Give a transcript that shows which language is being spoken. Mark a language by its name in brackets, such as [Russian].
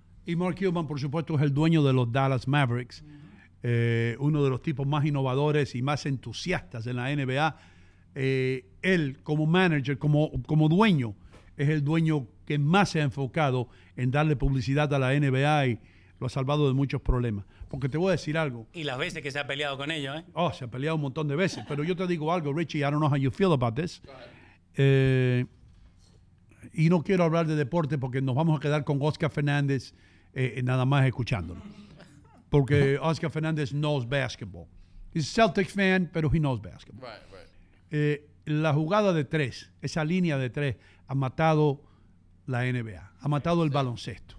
[Spanish] Y Mark Cuban, por supuesto, es el dueño de los Dallas Mavericks, uno de los tipos más innovadores y más entusiastas en la NBA. Él, como manager, como dueño, es el dueño que más se ha enfocado en darle publicidad a la NBA y lo ha salvado de muchos problemas. Porque te voy a decir algo. Y las veces que se ha peleado con ellos, ¿eh? Oh, se ha peleado un montón de veces. Pero yo te digo algo, Richie, [English] I don't know how you feel about this. [Spanish] Y no quiero hablar de deporte porque nos vamos a quedar con Oscar Fernández nada más escuchándolo. [English] Porque Oscar Fernández knows basketball. He's a Celtics fan, [Spanish] pero [English] he knows basketball. [Spanish] La jugada de tres, esa línea de tres, ha matado la NBA, ha matado el baloncesto.